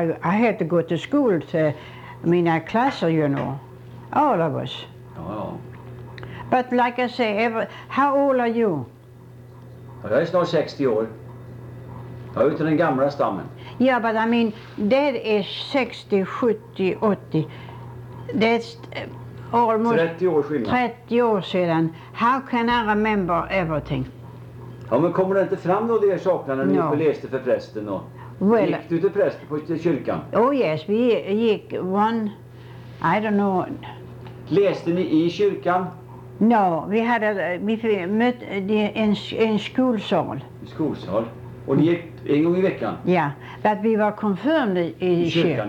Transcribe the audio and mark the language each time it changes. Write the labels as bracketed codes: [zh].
[en] I had to go to school to [sv] mina klasser, [en] you know. All of us. [sv] Ja. [en] But like I say, how old are you? [sv] Ja, jag är snart 60 år. Jag är ute i den gamla stammen. [en] Ja, yeah, but I mean, that is 60, 70, 80. That's almost [sv] 30 år skillnad. 30 år sedan. [en] How can I remember everything? [sv] Ja, men kommer det inte fram då de här sakerna när ni läste för prästen? Och [en] well, [sv] gick du till prästen på kyrkan? [en] Oh yes, [sv] vi gick [en] I don't know. [sv] Läste ni i kyrkan? [en] No, we had we met in skolsal. [sv] Skolsal. Och ni gick en gång i veckan? [en] Ja, yeah, but we were confirmed [sv] i kyrkan.